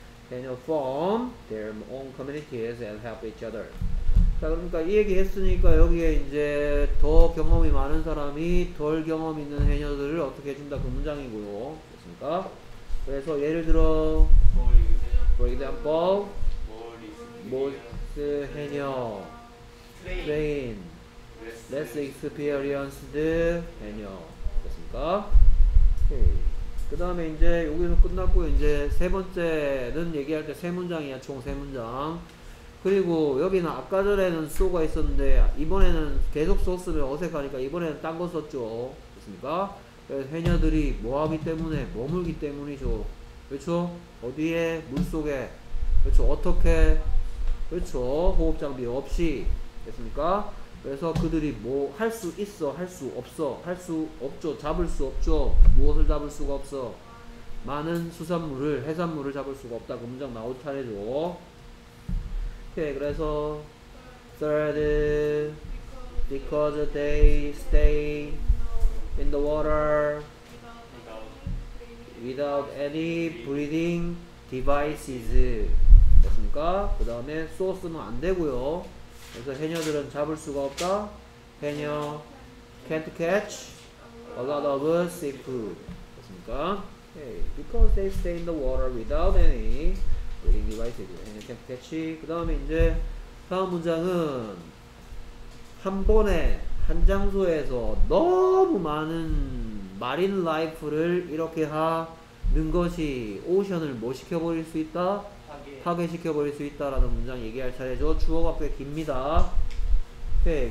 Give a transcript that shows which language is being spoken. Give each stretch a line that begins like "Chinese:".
English: They form their own communities and help each other.
Korean: 자, 그러니까 이 얘기 했으니까 여기에 이제 더 경험이 많은 사람이 덜 경험 있는 해녀들을 어떻게 해준다 그 문장이고요. 됐습니까? 그래서 예를 들어
English: For example Most 해녀 Train Less experienced 해녀
Korean: 됐습니까? 오케이. 그 다음에 이제 여기서 끝났고 이제 세 번째는 얘기할 때 세 문장이야. 총 세 문장. 그리고 여기는 아까 전에는 so가 있었는데 이번에는 계속 so 쓰면 어색하니까 이번에는 딴 거 썼죠. 됐습니까? 그래서 해녀들이 뭐하기 때문에 머물기 때문이죠. 그렇죠? 어디에? 물속에. 그렇죠? 어떻게? 그렇죠? 호흡장비 없이. 됐습니까? 그래서 그들이 뭐 할 수 있어? 할 수 없어? 할 수 없죠? 잡을 수 없죠? 무엇을 잡을 수가 없어? 많은 수산물을, 해산물을 잡을 수가 없다. 그 문장 나올 차례죠. 오케이. 그래서
English: third because they stay in the water without any breathing devices.
Korean: 됐습니까? 그 다음에 소스는 안 되고요. 그래서 해녀들은 잡을 수가 없다.
English: 해녀 can't catch a lot of seafood.
Korean: 됐습니까?
English: Okay. Because they stay in the water without any breathing devices. 해녀 can't catch.
Korean: 그 다음에 이제 다음 문장은 한 번에 한 장소에서 너무 많은 마린 라이프를 이렇게 하는 것이 오션을 뭐 시켜버릴 수 있다? 파괴시켜버릴 수 있다라는 문장 얘기할 차례죠. 주어가 꽤 깁니다. 오케이.